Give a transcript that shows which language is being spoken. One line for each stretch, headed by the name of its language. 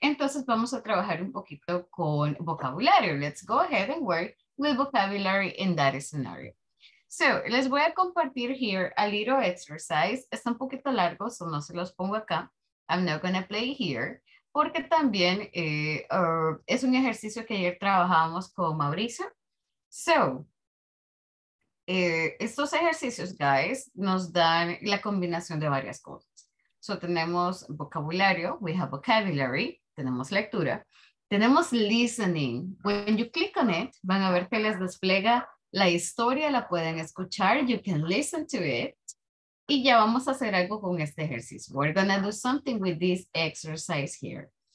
Spanish: Entonces vamos a trabajar un poquito con vocabulario.
English: Let's go ahead and work with vocabulary in that scenario. So,
Spanish: les voy a compartir
English: here a little exercise.
Spanish: Está un poquito largo, so no se los pongo acá.
English: I'm not going to play here.
Spanish: Porque también es un ejercicio que ayer trabajábamos con Mauricio. So, estos ejercicios, guys, nos dan la combinación de varias cosas. So, tenemos vocabulario,
English: we have vocabulary,
Spanish: tenemos lectura. Tenemos listening.
English: When you click on it,
Spanish: van a ver que les despliega la historia, la pueden escuchar.
English: You can listen to it.
Spanish: Y ya vamos a hacer algo con este ejercicio.
English: We're going to do something with this exercise here.